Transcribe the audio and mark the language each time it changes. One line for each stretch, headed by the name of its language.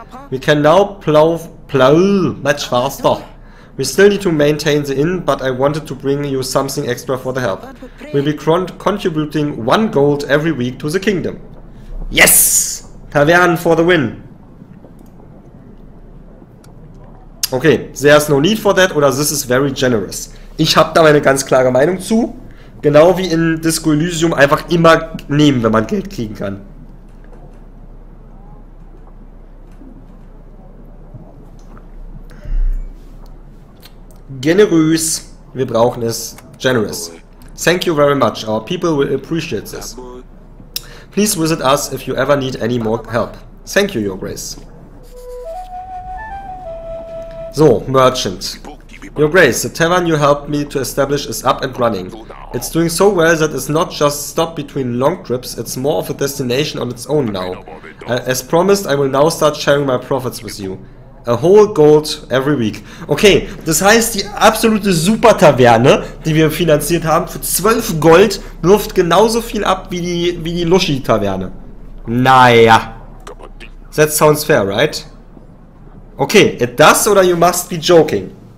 English: We can now plow much faster. We still need to maintain the inn, but I wanted to bring you something extra for the help. We'll be contributing 1 gold every week to the kingdom. Yes! Tavern for the win. Okay, there's no need for that, oder this is very generous.
German: Ich habe da meine ganz klare Meinung zu. Genau wie in Disco Elysium, einfach immer nehmen, wenn man Geld kriegen kann. Generös, wir brauchen es.
English: Generous. Thank you very much. Our people will appreciate this. Please visit us if you ever need any more help. Thank you, Your Grace. So, Merchant. Your Grace, the tavern you helped me to establish is up and running. It's doing so well that it's not just stopped between long trips, it's more of a destination on its own now. As promised, I will now start sharing my profits with you. A whole gold every week.
German: Okay, das heißt, die absolute Super-Taverne, die wir finanziert haben, für 12 Gold wirft genauso viel ab wie die Lushi-Taverne.
English: Naja. That sounds fair, right? Okay, it does oder you must be joking?